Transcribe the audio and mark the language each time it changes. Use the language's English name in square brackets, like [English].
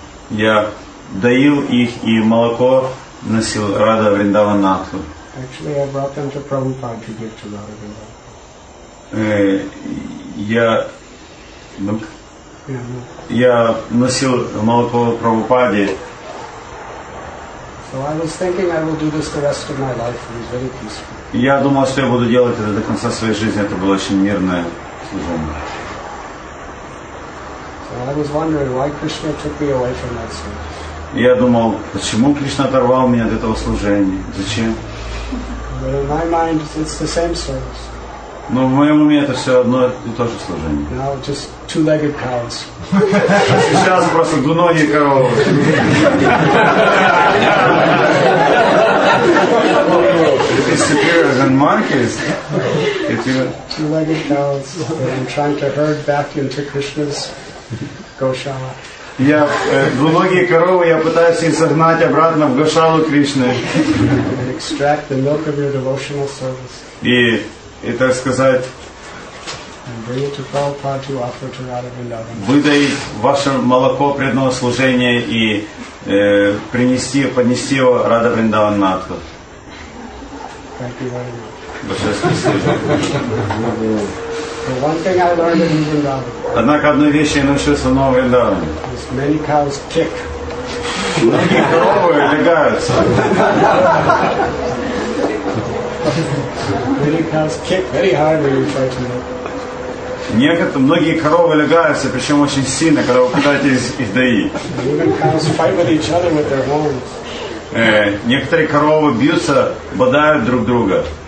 [Russian] Я доил их, и молоко носил Радха Вриндаванатху. [English] Actually, I brought them to Prabhupada to give to Radha Vrindavan. [Russian] Я носил молоко Прабхупаде. [English] So I was thinking I will do this the rest of my life. It was very peaceful. [Russian] Я думал, что я буду делать это до конца своей жизни. Это было очень мирное служение. [English] So I was wondering why Krishna took me away from that service. [Russian] Я думал, почему Кришна оторвал меня от этого служения? Зачем? [English] But in my mind, it's the same service. [Russian] Но в моем уме это все одно и то же служение. [English] Now just two-legged cows. [Russian] Сейчас просто двуногие коровы. [English] Disappears and monkeys. Two-legged cows. I'm trying to herd back into Krishna's goshala. [Russian] Я двуногие коровы, я пытаюсь их загнать обратно в гошалу Кришны. [English] Extract the milk of your devotional service. [Russian] И так сказать. [English] And bring it to Prabhupada to offer to Radha Vrindavan. [Russian] Выдать ваше молоко преданного служения и поднести его Радха Вриндаванатху. [English] Thank you very much. [Russian] Большое спасибо. [English] But one thing I learned in Vrindavan. [Russian] Однако одной вещи я научился в Новом Вриндаване. [English] Is many cows kick. [Russian] Многие коровы легаются. [English] Many cows kick very hard when you try to milk. [Russian] Многие коровы легаются, причем очень сильно, когда вы пытаетесь их доить. [English] Even cows fight with each other with their horns. [Russian] Некоторые коровы бьются, бодают друг друга.